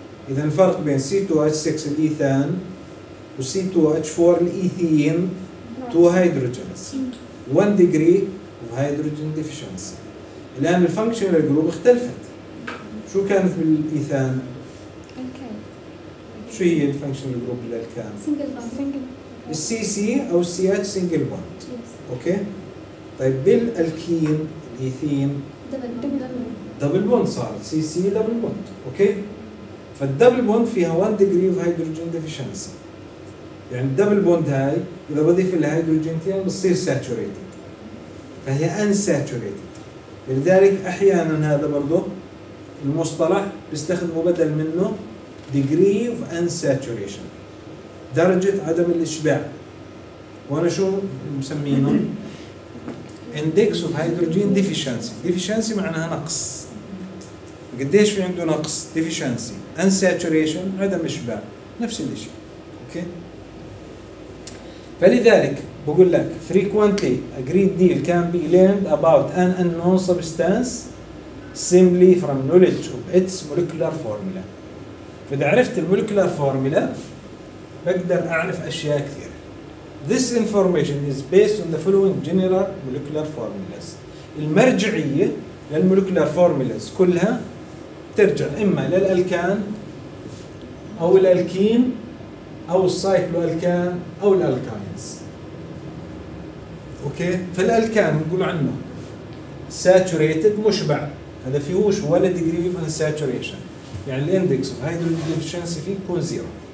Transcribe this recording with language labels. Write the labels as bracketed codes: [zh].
[ar] إذا الفرق بين C2H6 الإيثان و C2H4 الإيثين 2 هيدروجينز. [en] 1 degree of hydrogen deficiency. [ar] الآن الفانكشن للجروب اختلفت. شو كانت بالإيثان؟ الكان. شو هي الفانكشن للجروب للكان؟ سنجل بوند. السي سي او السي اتش سنجل بوند. اوكي طيب بالالكين الايثين دبل بوند صار سي سي دبل بوند. اوكي فالدبل بوند فيها 1 ديجري اوف هيدروجين ديفيشنسي، يعني الدبل بوند هاي اذا بضيف لها هيدروجينتين بتصير ساتوريتد، فهي ان ساتوريتد. لذلك احيانا هذا برضو المصطلح بيستخدمه بدل منه ديجري اوف ان ساتوريشن، درجة عدم الإشباع. وأنا شو مسمينه؟ [en] Index of Hydrogen Deficiency. [ar] Deficiency معناها نقص. قديش في عنده نقص؟ Deficiency. Unsaturation عدم إشباع. نفس الشيء. أوكي؟ فلذلك بقول لك [en] Frequently a great deal can be learned about an unknown substance simply from knowledge of its molecular formula. [ar] فإذا عرفت المولكولار فورمولا بقدر أعرف أشياء كثيرة. [en] This information is based on the following general molecular formulas. [ar] المرجعية للmolecular formulas كلها ترجع إما للألكان أو الألكين أو السايكلوألكان أو الألكاينز. أوكي؟ فالألكان نقول عنه saturated مشبع، هذا فيهوش ولا degree of unsaturation، يعني الindex of hydrogen deficiency فيه يكون zero.